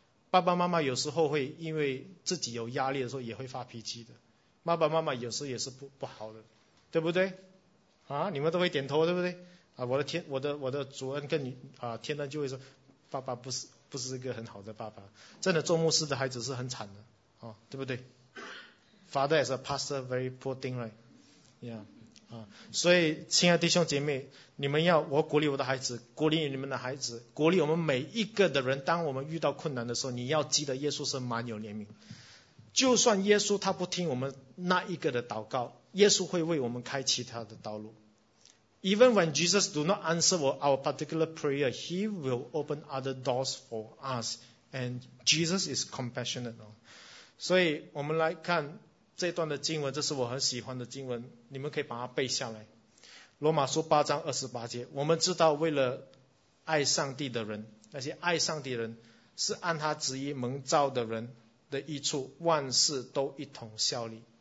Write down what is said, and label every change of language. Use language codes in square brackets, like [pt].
[zh] 爸爸妈妈有时候会因为自己有压力的时候也会发脾气的，爸爸妈妈有时候也是不好的，对不对？你们都会点头，对不对？我的主恩跟你天恩就会说，爸爸不是一个很好的爸爸，真的做牧师的孩子是很惨的，对不对？ [en] Father is a pastor, very poor thing, right? [zh] 所以亲爱的弟兄姐妹，你们要我鼓励我的孩子，鼓励你们的孩子，鼓励我们每一个的人，当我们遇到困难的时候，你要记得耶稣是蛮有怜悯。就算耶稣他不听我们那一个的祷告，耶稣会为我们开其他的道路。 [en] Even when Jesus do not answer our particular prayer, he will open other doors for us, and Jesus is compassionate. [zh] 所以我们来看这段的经文，这是我很喜欢的经文，你们可以把它背下来。罗马书八章二十八节，我们知道为了爱上帝的人，那些爱上帝的人是按他旨意蒙召的人的益处，万事都一同效力。